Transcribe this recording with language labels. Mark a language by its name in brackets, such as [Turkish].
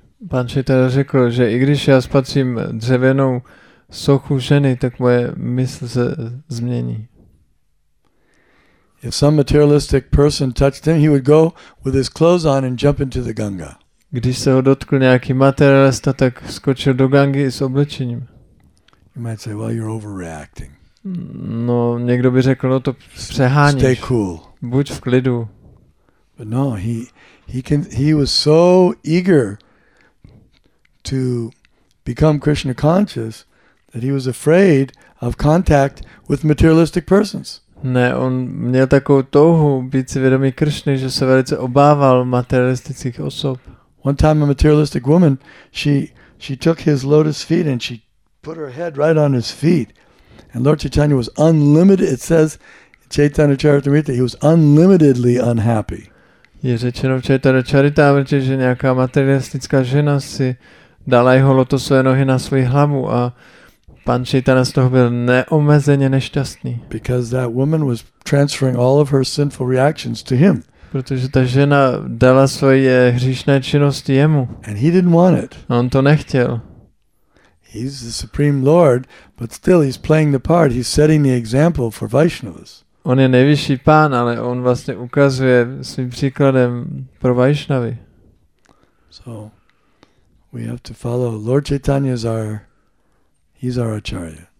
[Czech] Pan Chaitanya řekl, že i když já spatřím dřevěnou sochu ženy, tak moje mysl se změní. [English] If some materialistic person touched him, he would go with his clothes on and jump into the Ganga. [Czech] Když se ho dotkl nějaký materialista, tak skočil do Gangy s oblečením. [English] You might say, well, you're overreacting. [Czech] No, někdo by řekl, no to přeháníš. [English] Stay cool. [Czech] Buď v klidu. [English] But no, he was so eager to become Krishna conscious that he was afraid of contact with materialistic persons. [Czech] Ne, on měl takovou touhu být si vědomý Kršny, že se velice obával materialistických osob. [English] One time a materialistic woman, she took his lotus feet and she put her head right on his feet. And Lord Chaitanya was unlimited, it says Chaitanya Charitamrita, he was unlimitedly unhappy. [Czech] Je řečeno v Chaitanya Charitamrita, že nějaká materialistická žena si dala jeho lotosové nohy na svou hlavu a pan Chaitanya z toho byl neomezeně nešťastný. [English] Because that woman was transferring all of her sinful reactions to him. [Czech] Protože ta žena dala svoje hříšné činnosti jemu. [English] And he didn't want it. [Czech] A on to nechtěl. [English] He's the supreme lord, but still he's playing the part. He's setting the example for Vaishnavas. [Czech] On je nejvyšší pán, ale on vlastně ukazuje svým příkladem pro Vaishnavy. [English] So we have to follow Lord Chaitanya's our he's our acharya.